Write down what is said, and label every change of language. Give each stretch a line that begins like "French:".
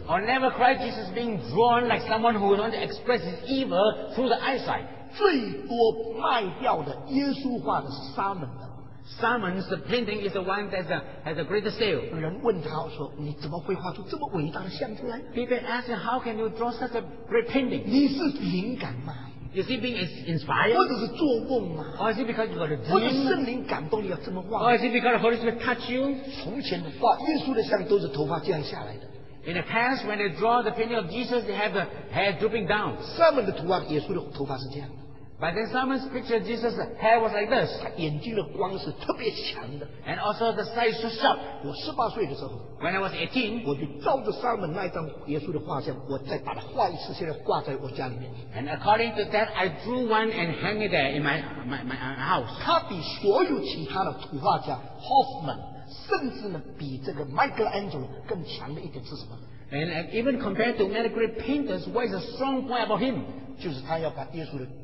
English: Or never cry Jesus being drawn like someone who wants to express his evil through the eyesight.
Chinese: 最多卖掉的耶稣画的Salmon。
English: Salmon's painting is the one that has a greater sale.
Chinese: 人问他说：“你怎么会画出这么伟大的像出来？”
English: People ask him, "How can you draw such a great painting?"
Chinese: 你是灵感吗？
English: Is he being inspired?
Chinese: 或者是做梦吗?
English: Or is it because you got a dream?
Chinese: 或者圣灵感动你要这么忘?
English: Or is it because the Holy Spirit touch you?
Chinese: 从前的话, 耶稣的像都是头发这样下来的。
English: In the past, when they draw the painting of Jesus, they have the hair drooping down.
Chinese: 上面的图画, 耶稣的头发是这样的。
English: But then Simon's picture of Jesus' hair was like this.
Chinese: 眼睛的光是特别强的。
English: And also the sight is so sharp.
Chinese: 我18岁的时候,
English: when I was 18,
Chinese: 我就照着Simon那张耶稣的画像，我再把它画一次，现在挂在我家里面。
English: And according to that, I drew one and hang it there in my house.
Chinese: 他比所有其他的图画家 Hoffman, 甚至呢比这个 Michelangelo 更强的一点是什么？
English: And even compared to many great painters, what is a strong point about him?
Chinese: 就是他要把耶稣的